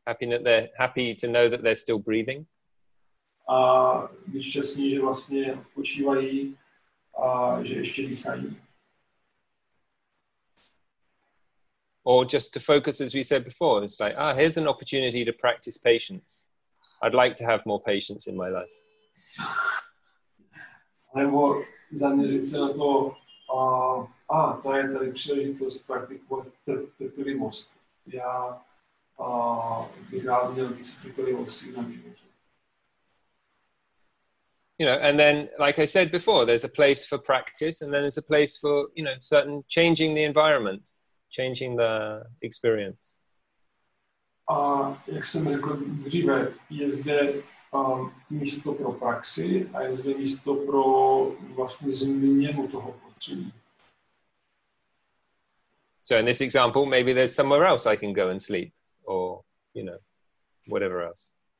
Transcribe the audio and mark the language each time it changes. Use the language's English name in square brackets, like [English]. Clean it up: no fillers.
[English] Happy that they're happy to know that they're still breathing. [Czech] A být šťastný, že vlastně odpočívají a že ještě dýchají. [English] Or just to focus, as we said before, it's like, here's an opportunity to practice patience. I'd like to have more patience in my life. [Czech] Nebo zaměřit se na to, to je tady příležitost praktikovat trpělivost. Já bych rád měl více trpělivosti na životě. [English] You know, and then, like I said before, there's a place for practice, and then there's a place for, you know, certain changing the environment, changing the experience. [Czech] A jak jsem řekl dříve, je zde místo pro praxi a je zde místo pro vlastně změnu toho prostředí. [English] So in this example, maybe there's somewhere else I can go and sleep, or, you know, whatever else.